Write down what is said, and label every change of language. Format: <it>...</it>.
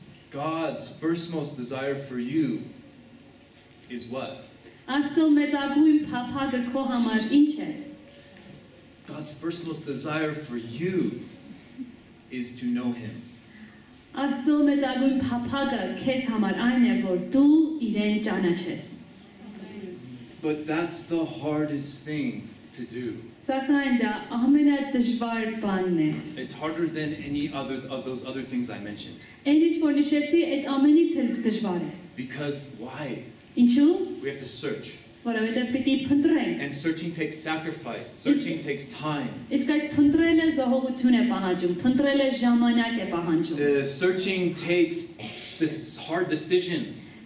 <en>God's first most desire for you is what? God's first most desire for you is to know him.</en> <hy>Աստծո մեծ ագույն փափագը քեզ համար այն է, որ դու իրեն ճանաչես.</hy> <en>But that's the hardest thing to do.</en> <hy>Սակայն դա ամենադժվար բանն է.</hy> <en>It's harder than any other of those other things I mentioned.</en> <hy>Ինչ որ նշեցի, այդ ամենից էլ դժվար է.</hy> <en>Because why?</en> <hy>Ինչու?</hy> <en>We have to search.</en> <hy>Որովհետև պիտի փնտրենք։</hy> <en>And searching takes sacrifice. Searching takes time.</en> <hy>Իսկ այդ փնտրելը զահողություն է պահանջում, փնտրելը ժամանակ է պահանջում։</hy> <en>Searching takes this hard decisions.</en>